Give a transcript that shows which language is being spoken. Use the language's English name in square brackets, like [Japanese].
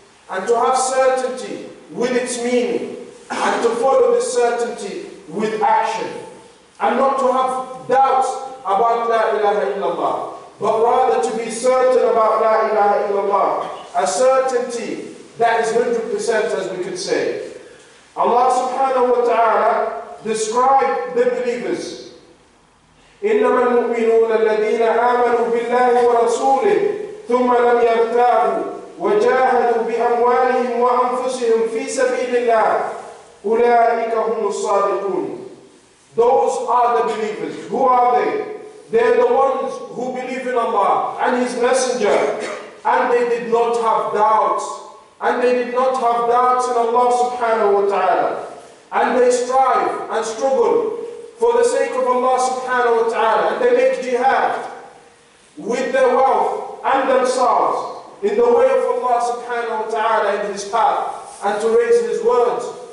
[English] And to have certainty with its meaning, and to follow this certainty with action. And not to have doubts about La ilaha illallah, but rather to be certain about La ilaha illallah. A certainty that is 100%, as we could say. Allah subhanahu wa ta'ala described the believers, [Arabic] إنما المؤمنون الذين آمنوا بالله ورسوله ثم لم يرتابوا وجاهدوا بأموالهم وأنفسهم في سبيل الله أولئك هم الصادقون. [English] Those are the believers. Who are they? They're the ones who believe in Allah and His Messenger, and they did not have doubts, and they did not have doubts in Allah subhanahu wa ta'ala, and they strive and struggle for the sake of Allah subhanahu wa ta'ala, and they make jihad with their wealth and themselves in the way of Allah subhanahu wa ta'ala in His path, and to raise His words.